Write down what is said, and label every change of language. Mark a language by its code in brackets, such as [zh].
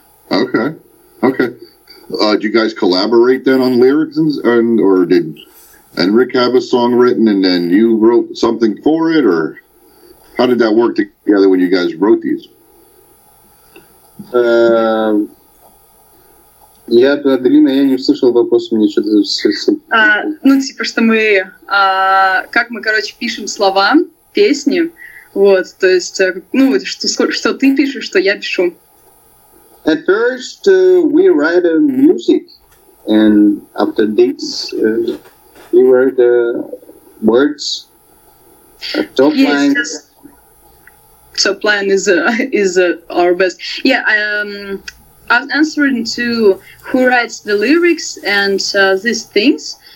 [en] Okay. Do you guys collaborate then on lyrics, and or did Enric have a song written and then you wrote something for it, or how did that work together when you guys wrote these? [ru] Я про Аделина, я не услышал вопрос, мне что-то совсем. Ну, типа, что мы, как мы, короче, пишем слова, песни, вот, то есть, ну, что ты пишешь, что я пишу. [en] At first, we write music, and after this, we write the words, top lines. So plan is our best. Yeah, I'm answering to who writes the lyrics and these things.